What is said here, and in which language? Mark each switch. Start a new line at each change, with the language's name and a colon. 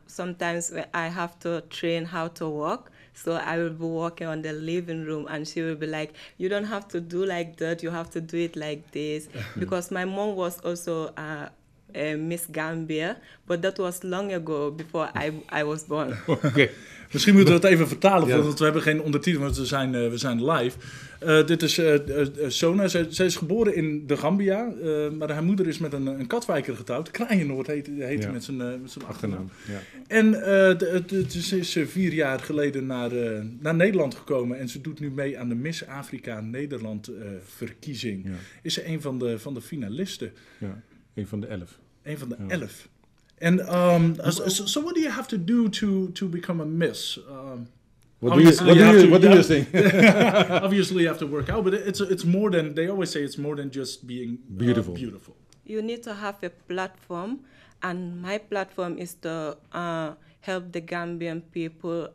English: Sometimes I have to train how to walk. So I will be walking on the living room and she will be like, you don't have to do like that. You have to do it like this. Because my mom was also... Miss Gambia, but that was long ago before I was born. Okay.
Dutch: Misschien moeten we het even vertalen, want we hebben geen ondertiteling, want we zijn live. Dit is Sona. Zij is geboren in de Gambia, maar haar moeder is met een Katwijker getrouwd. Kraaienoord heet hij met zijn achternaam. En ze is 4 jaar geleden naar Nederland gekomen en ze doet nu mee aan de Miss Afrika Nederland verkiezing. Ja. Is ze een van de finalisten? Ja. Een van de 11. Een van de 11.
English: En what do you have to do to become a miss? What do you think? Obviously, you have to work out, but it's more than, they always say, it's more than just being beautiful. You need to have a platform, and my platform is to help the Gambian people.